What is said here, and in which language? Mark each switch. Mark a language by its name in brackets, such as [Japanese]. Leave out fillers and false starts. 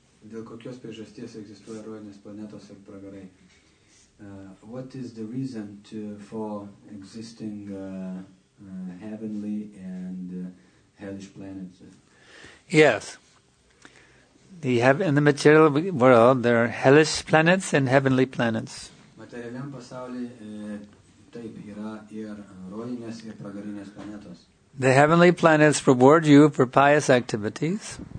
[Lithuanian] Dėl kokios priežasties egzistuoja rojinės planetos ir pragarai? [English] What is the reason for existing heavenly and hellish planets? Yes. In the material world, there are hellish planets and heavenly planets. [Lithuanian] Materialiam pasaulyje taip yra ir rojinės ir pragarinės planetos. [English] The heavenly planets reward you for pious activities.